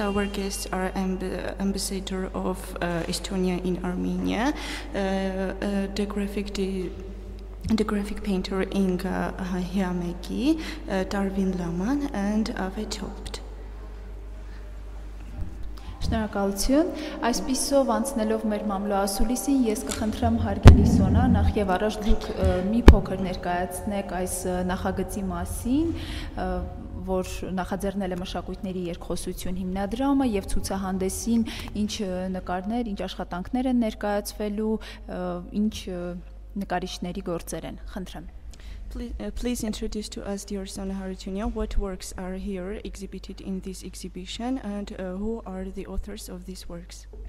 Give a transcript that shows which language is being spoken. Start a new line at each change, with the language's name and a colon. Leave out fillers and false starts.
English: Our guests are ambassador of Estonia in Armenia, the graphic painter Inga Hiamegi, Darwin Laman, and Ave Topt.
Armenian: Շնորհակալություն։ Այսպիսով անցնելով մեր մամլոասուլիսին, ես կխնդրեմ հարգելի Սոնա, նախ եւ առաջ դուք մի փոքր ներկայացնեք այս նախագծի մասին, որ նախաձեռնել է մշակույթների երկխոսություն հիմնադրամը եւ ցուցահանդեսին ինչ նկարներ, ինչ աշխատանքներ են ներկայացվելու, ինչ նկարիչների գործեր են։ Խնդրեմ։
English: Please introduce to us, dear Sona Harutyunyan, what works are here exhibited in this exhibition and who are the authors of these works?